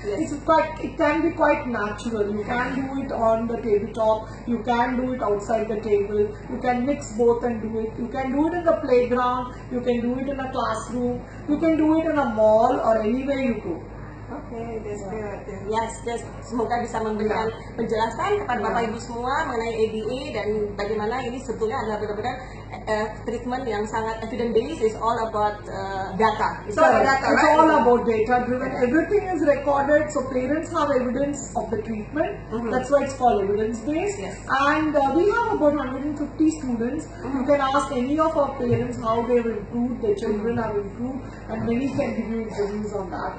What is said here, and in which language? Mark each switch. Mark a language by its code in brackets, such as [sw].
[en] Yes. It's quite, it can be quite natural. You can do it on the tabletop. You can do it outside the table. You can mix both and do it. You can do it in the playground. You can do it in a classroom. You can do it in a mall or anywhere you go. Okay, that's good. Yes, yes. [id] Semoga bisa memberikan penjelasan kepada Bapak Ibu semua mengenai ABA dan bagaimana ini sebetulnya adalah benar-benar treatment yang sangat evidence based. [en] Is all about data. It's all about data. It's all about data driven. Everything is recorded, so parents have evidence of the treatment. Mm-hmm. That's why it's called evidence based. Yes. And we have about 150 students. Mm-hmm. You can ask any of our parents how they have improved, their children have improved, and many can give you interviews on that.